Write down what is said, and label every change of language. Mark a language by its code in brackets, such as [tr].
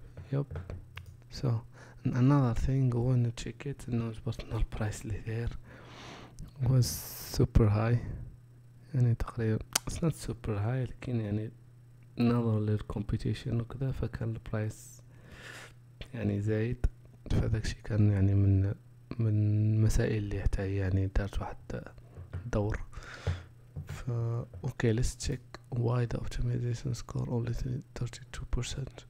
[en] Yep. So another thing I want to check it and it was not price اللي there was super high. [ar] يعني تقريبا [en] it's not super high [ar] لكن يعني نظر للcompetition وكذا فكان البرايس يعني زايد. فذاك شي كان يعني من المسائل اللي حتى يعني دارت واحد دور. فا اوكي [en] let's check why the optimization score only 32%.